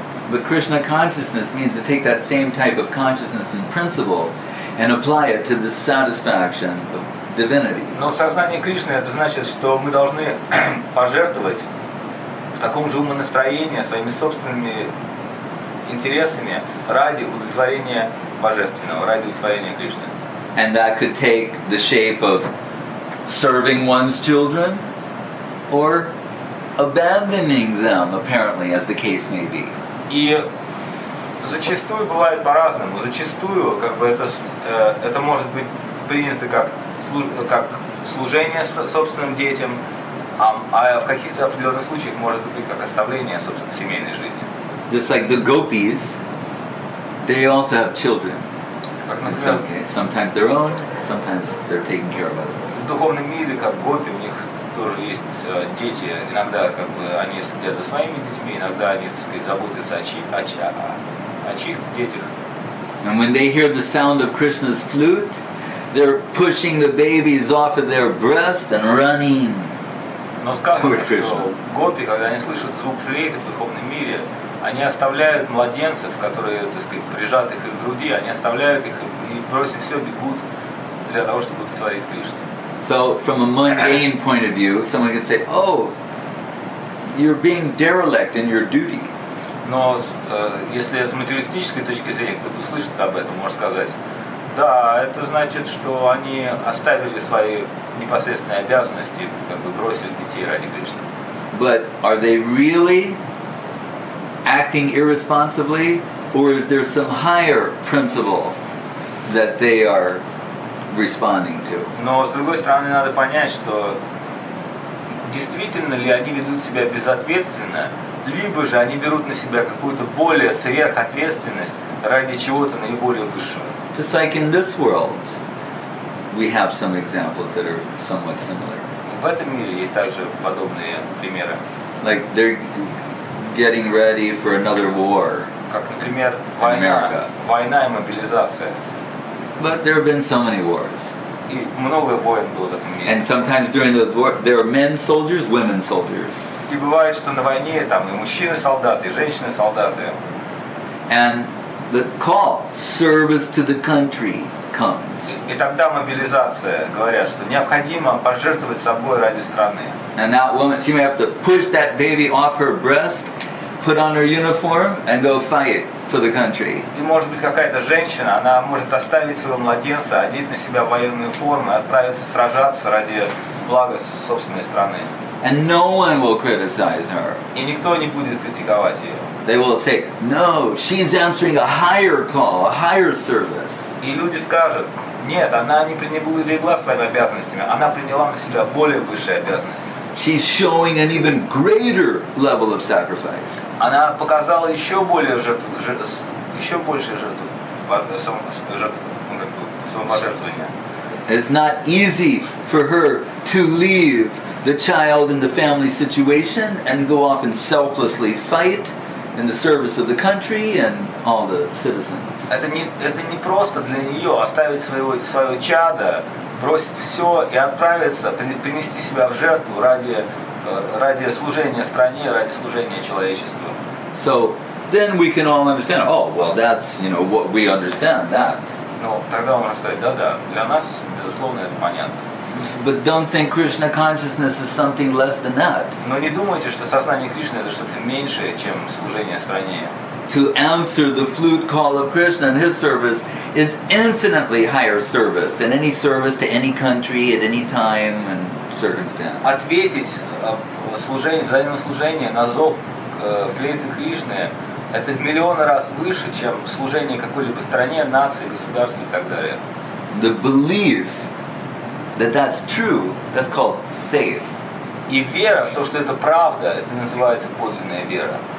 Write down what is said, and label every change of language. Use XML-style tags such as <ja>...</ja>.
<en>But Krishna consciousness means to take that same type of consciousness and principle and apply it to the satisfaction of divinity.</en> <ru>Но сознание Кришны, это значит, что мы должны пожертвовать в таком же умонастроении своими собственными интересами ради удовлетворения божественного, ради удовлетворения Кришны.</ru> <en>And that could take the shape of serving one's children or abandoning them, apparently, as the case may be.</en> <ru>И зачастую бывает по-разному. Зачастую, как бы, это может быть принято как служение собственным детям, а в каких-то определенных случаях может быть как оставление собственной семейной жизни.</ru> <en>Just like the gopis, they also have children. In some cases, sometimes their own, sometimes they're taking care of others.</en> <ru>В духовном мире, как гопи, у них тоже есть дети. Иногда, как бы, они следят за своими детьми, иногда они, так сказать, заботятся о чьих детях.</ru> <en>And when they hear the sound of Krishna's flute, they're pushing the babies off of their breast and running.</en> <ru>Но сказано, что гопи, когда они слышат звук флейты в духовном мире, они оставляют младенцев, которые, так сказать, прижат их к груди, они оставляют их и бросят все, бегут для того, чтобы удовлетворить Кришну.</ru> <en>So, from a mundane point of view, someone could say, oh, you're being derelict in your duty.</en> <ru>Но если с материалистической точки зрения кто-то услышит об этом, может сказать, Да, это значит, что они оставили свои непосредственные обязанности, как бы бросили детей ради Кришны.</ru> <en>But are they really acting irresponsibly, or is there some higher principle that they are responding to?</en> <ru>Но с другой стороны, надо понять, что действительно ли они ведут себя безответственно, либо же они берут на себя какую-то более сверхответственность ради чего-то наиболее высшего.</ru> <en>Just like in this world, we have some examples that are somewhat similar.</en> <ru>В этом мире есть также подобные примеры.</ru> <en>Like they're getting ready for another war.</en> <ru>Как, например, война и мобилизация.</ru> <en>But there have been so many wars.</en> <ru>И много войн было в этом мире.</ru> <en>And sometimes during those wars, there are men soldiers, women soldiers.</en> <ru>И бывает, что на войне там и мужчины-солдаты, и женщины-солдаты.</ru> <en>And the call, service to the country, comes.</en> <ru>И тогда мобилизация, говорят, что необходимо пожертвовать собой ради страны.</ru> <en>And that woman, she may have to push that baby off her breast, put on her uniform, and go fight for the country.</en> <ru>И может быть какая-то женщина, она может оставить своего младенца, одеть на себя военную форму, отправиться сражаться ради блага собственной страны.</ru> <en>And no one will criticize her.</en> <ru>И никто не будет критиковать ее.</ru> <en>They will say, no, she's answering a higher call, a higher service.</en> <ru>И люди скажут, нет, она не пренебрегла своими обязанностями, она приняла на себя более высшие обязанности.</ru> <en>She's showing an even greater level of sacrifice.</en> <ru>Она показала еще большую жертву самопожертвования.</ru> <en>It's not easy for her to leave the child in the family situation and go off and selflessly fight in the service of the country and all the citizens.</en> <ru>Это не просто для нее оставить своего чада, бросить все и отправиться, принести себя в жертву ради служения стране, ради служения человечеству.</ru> <en>So then we can all understand, oh, well, that's, you know, what we understand, that.</en> <ru>Ну, тогда можно сказать, да-да, для нас, безусловно, это понятно.</ru> <en>But don't think Krishna consciousness is something less than that.</en> <ru>Но не думайте, что сознание Кришны это что-то меньшее, чем служение стране.</ru> <en>To answer the flute call of Krishna and his service is infinitely higher service than any service to any country at any time and circumstance.</en> <ru>Ответить взаимное служение на зов флейты Кришны это в миллионы раз выше, чем служение какой-либо стране, нации, государству и так далее.</ru> <en>The belief that that's true, that's called faith.</en> <ru>И вера в то, что это правда, это называется подлинная вера.</ru>